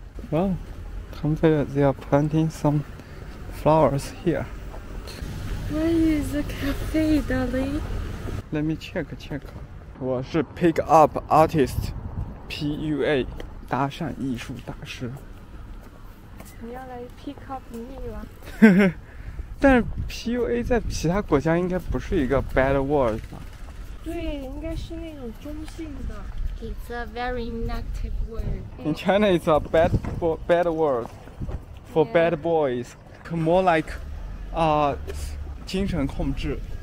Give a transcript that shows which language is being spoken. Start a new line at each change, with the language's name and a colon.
English: Wow. They are planting some flowers here. Where is the cafe, darling? Let me check.
Chinese: 我是
English: pick up artist,
Chinese: PUA, 搭讪艺术大师。你要来
English: pick up
Chinese: 你吗？但是 PUA 在其他国家应该不是一个
English: bad word
Chinese: 吧？对，应该是那种中性的。
English: It's a very negative word. In China, it's a bad word for bad boys. More like,
Chinese: 精神控制，